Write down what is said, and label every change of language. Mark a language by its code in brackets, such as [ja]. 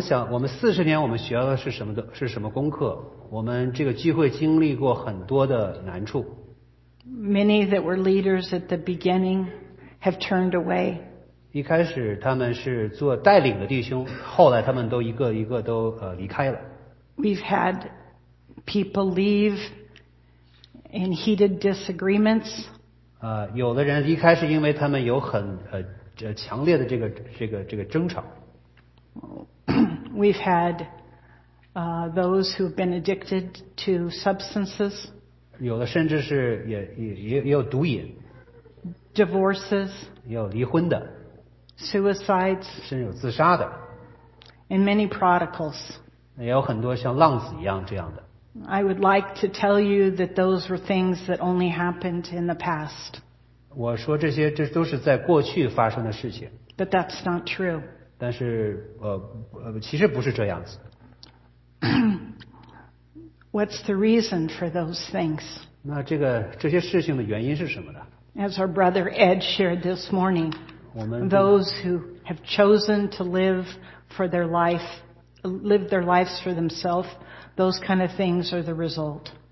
[zh] 我们40年我们学了是什么功课？我们这个聚会经历过很多的难处。 [en] Many that were leaders at the beginning have turned away. [zh] 一开始他们是做带领的弟兄，后来他们都一个一个都离开了。 [en] We've had people leave in heated disagreements. [zh] 有的人离开是因为他们有很强烈的这个争吵。 [en] We've had those who have been addicted to substances. [zh] 有的甚至是也有毒瘾。 [en] Divorces. [zh] 也有离婚的。 [en] Suicides, [zh] 甚至有自杀的, [en] and many prodigals. [zh] 也有很多像浪子一样这样的。 [en] I would like to tell you that those were things that only happened in the past. [zh] 我说这些都是在过去发生的事情。 [en] But that's not true. [zh] 但是其实不是这样子。 [en] What's the reason for those things? [zh] 那这些事情的原因是什么呢？ [en] As our brother Ed shared this morning. Those who have chosen to live their lives for themselves, those kind of things are the result.